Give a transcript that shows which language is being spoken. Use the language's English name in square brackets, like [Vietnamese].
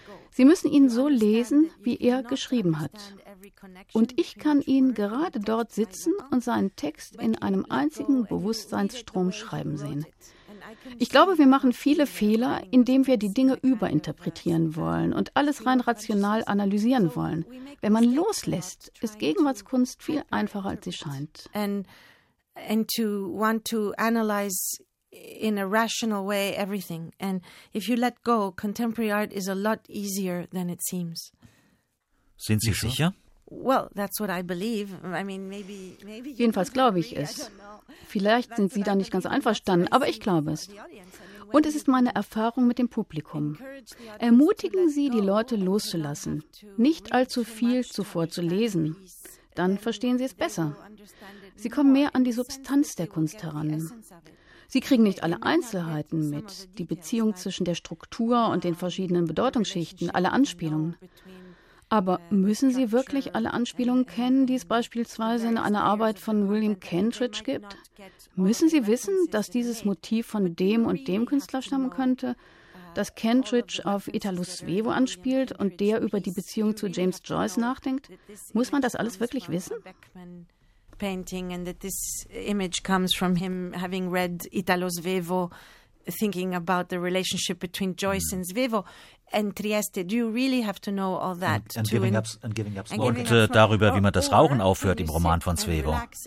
[German] Sie müssen ihn so lesen, wie er geschrieben hat. Und ich kann ihn gerade dort sitzen und seinen Text in einem einzigen Bewusstseinsstrom schreiben sehen. Ich glaube, wir machen viele Fehler, indem wir die Dinge überinterpretieren wollen und alles rein rational analysieren wollen. Wenn man loslässt, ist Gegenwartskunst viel einfacher, als sie scheint. [English] And to want to analyze in a rational way everything. And if you let go, contemporary art is a lot easier than it seems. [German] Sind Sie sicher? [English] Well, that's what I believe. I mean, maybe [German] jedenfalls glaube ich es. Vielleicht sind Sie da nicht ganz einverstanden, aber ich glaube es. Und es ist meine Erfahrung mit dem Publikum. Ermutigen Sie, die Leute loszulassen, nicht allzu viel zuvor zu lesen. Dann verstehen Sie es besser. Sie kommen mehr an die Substanz der Kunst heran. Sie kriegen nicht alle Einzelheiten mit, die Beziehung zwischen der Struktur und den verschiedenen Bedeutungsschichten, alle Anspielungen. Aber müssen Sie wirklich alle Anspielungen kennen, die es beispielsweise in einer Arbeit von William Kentridge gibt? Müssen Sie wissen, dass dieses Motiv von dem und dem Künstler stammen könnte, dass Kentridge auf Italo Svevo anspielt und der über die Beziehung zu James Joyce nachdenkt? Muss man das alles wirklich wissen? [English] Painting and that this image comes from him having read Italo Svevo, thinking about the relationship between Joyce and Svevo. And Trieste, do you really have to know all that? And giving up smoking. [German] Und darüber, wie man das Rauchen aufhört im Roman von Svevo.